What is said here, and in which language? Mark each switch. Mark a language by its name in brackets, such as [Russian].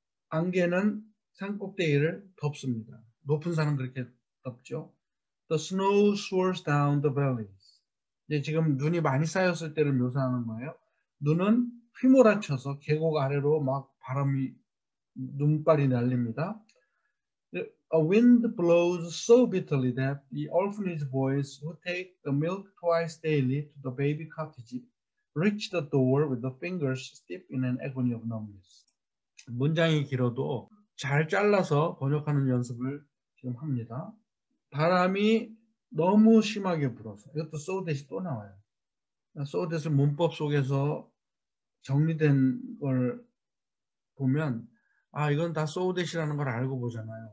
[Korean] 안개는 산꼭대기를 덮습니다. 높은 산은 그렇게 덮죠. [English] The snow swirls down the valleys. [Korean] 이제 지금 눈이 많이 쌓였을 때를 묘사하는 거예요. 눈은 휘몰아쳐서 계곡 아래로 막 바람이 눈발이 날립니다. [English] A wind blows so bitterly that the orphanage boys who take the milk twice daily to the baby cottage reach the door with the fingers stiff in an agony of numbness. [Korean] 문장이 길어도 잘 잘라서 번역하는 연습을 지금 합니다. 바람이 너무 심하게 불어서 이것도 [English] so that [Korean] 이 또 나와요. [English] so that [Korean] 을 문법 속에서 정리된 걸 보면, 아, 이건 다 so that이라는 걸 알고 보잖아요.